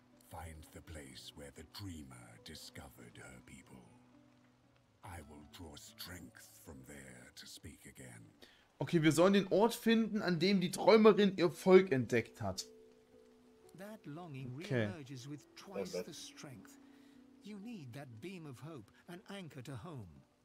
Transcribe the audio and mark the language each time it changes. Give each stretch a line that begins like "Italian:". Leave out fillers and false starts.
English: Find the place where the dreamer discovered her people. I will draw strength from there to speak again.
German: Okay, wir sollen den Ort finden, an dem die Träumerin ihr Volk entdeckt hat.
English: That longing reemerges with twice the strength. You need that beam of hope, an anchor to home.